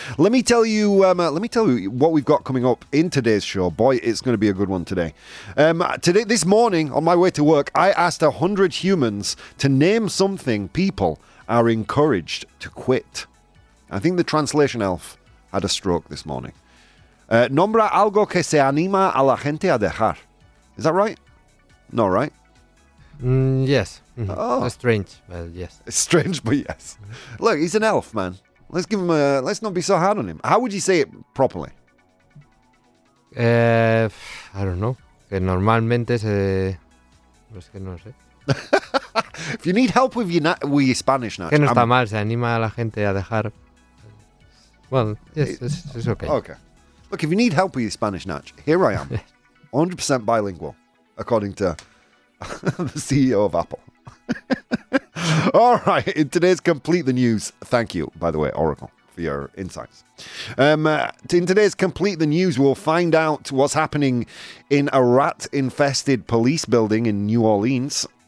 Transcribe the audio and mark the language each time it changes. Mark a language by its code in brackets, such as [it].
[en] Let me tell you what we've got coming up in today's show. Boy, it's going to be a good one today. This morning, on my way to work, I asked 100 humans to name something people are encouraged to quit. I think the translation elf had a stroke this morning. [es] Nombra algo que se anima a la gente a dejar. [en] Is that right? No, right? Yes. Mm-hmm. Oh. Strange, but yes. It's strange, but yes. Look, he's an elf, man. Let's give him a... Let's not be so hard on him. How would you say it properly? I don't know. [es] Que normalmente se... Es que no sé. [en] If you need help with your Spanish, Nacho. [es] Que no está mal, se anima a la gente a dejar... [en] Well, yes, it's okay. Okay. Look, if you need help with your Spanish, Natch, here I am. 100% bilingual, according to the CEO of Apple. All right, in today's Complete the News, thank you, by the way, Oracle, for your insights. In today's Complete the News, we'll find out what's happening in a rat-infested police building in New Orleans.